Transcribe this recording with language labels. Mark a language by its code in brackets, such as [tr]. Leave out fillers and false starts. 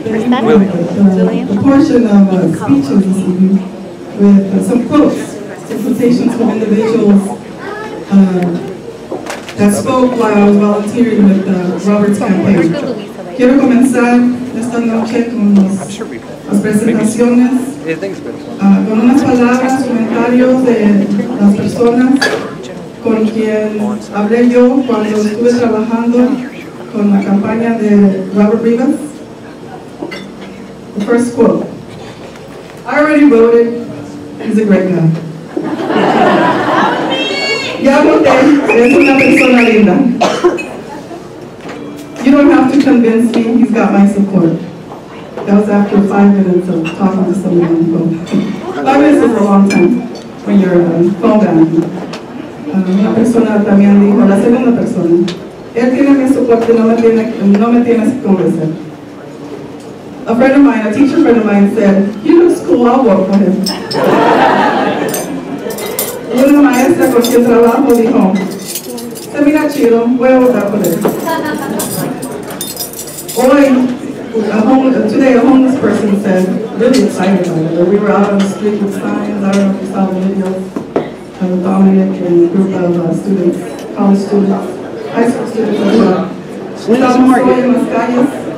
[en] A portion of speeches this evening with some quotes, presentations from individuals that spoke while I was volunteering with Robert's campaign. [es] Quiero comenzar esta noche con las presentaciones con unas palabras, comentarios de las personas con quien hablé yo cuando estuve trabajando con la campaña de Robert Rivas. [en] The first quote, I already voted, he's a great guy. [es] Ya voté, es una persona linda. [en] You don't have to convince me, he's got my support. That was after 5 minutes of talking to someone on the phone. 5 minutes is a long time when you're phone banking. [es] Una persona también dijo, la segunda persona. Él tiene mi soporte, no me tienes que convencer. [en] A friend of mine, a teacher friend of mine said, he looks cool, I'll work for him. [es] Una maestra con quien trabajo dijo, se mira chido, voy a votar por él. [en] Hoy, today a homeless person said, really excited about it. We were out on the street with signs, I don't know if you saw the video, of Dominic and a group of students, college students, high school students as well.